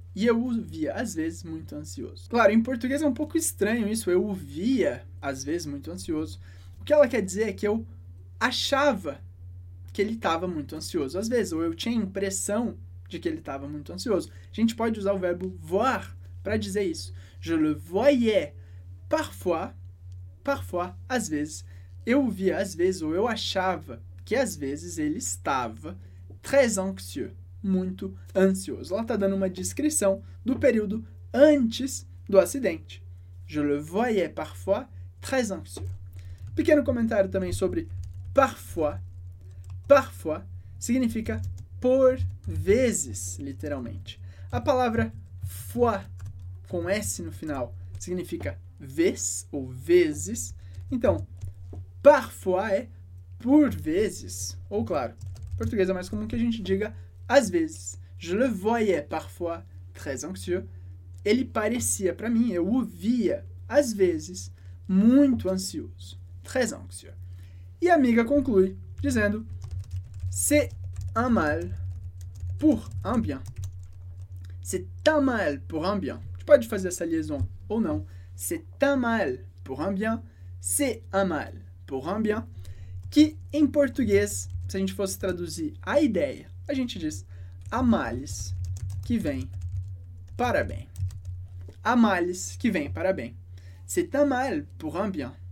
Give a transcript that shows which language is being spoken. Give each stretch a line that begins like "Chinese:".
Portuguese: E eu o via, às vezes, muito ansioso. Claro, em português é um pouco estranho isso, eu o via, às vezes, muito ansioso. O que ela quer dizer é que eu achava que ele estava muito ansioso, às vezes, ou eu tinha a impressão de que ele estava muito ansioso. A gente pode usar o verbo voir para dizer isso.
French: Je le voyais parfois,
Portuguese: às vezes. Eu o via, às vezes, ou eu achava que, às vezes, ele estava
French: très anxieux.
Portuguese: Muito ansioso. Ela está dando uma descrição do período antes do acidente.
French: Je le voyais parfois très anxieux.
Portuguese: Pequeno comentário também sobre parfois. Parfois significa por vezes, literalmente. A palavra fois com S no final significa vez ou vezes. Então, parfois é por vezes. Ou, claro, em português é mais comum que a gente diga às vezes,
French: je le voyais parfois très anxieux.
Portuguese: Ele parecia para mim, eu o via, às vezes, muito ansioso.
French: Très anxieux.
Portuguese: E a amiga conclui, dizendo,
French: c'est un mal pour un bien. C'est un mal pour un bien.
Portuguese: Tu pode fazer essa liaison ou não.
French: C'est un mal pour un bien. C'est un mal pour un bien.
Portuguese: Que, em português, se a gente fosse traduzir a ideia, a gente diz, há males que vêm para bem. Há males que vêm para bem. C'est un mal pour un bien.